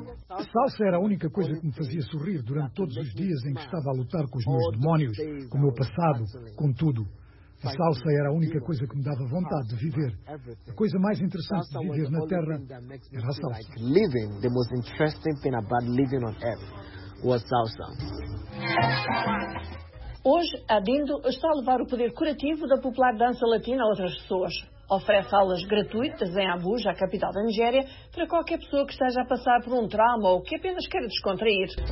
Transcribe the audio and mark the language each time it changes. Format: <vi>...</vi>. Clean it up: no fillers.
<pt>Salsa era a única coisa que me fazia sorrir durante todos os dias em que estava a lutar com os meus demónios, com o meu passado, com tudo. A salsa era a única coisa que me dava vontade de viver. A coisa mais interessante de viver na Terra era a salsa.</pt> <en>Living, the most interesting thing about living on Earth was salsa.</en> <pt>Hoje, Andindo está a levar o poder curativo da popular dança latina a outras pessoas. Oferece aulas gratuitas em Abuja, a capital da Nigéria, para qualquer pessoa que esteja a passar por um trauma ou que apenas queira descontrair.</pt>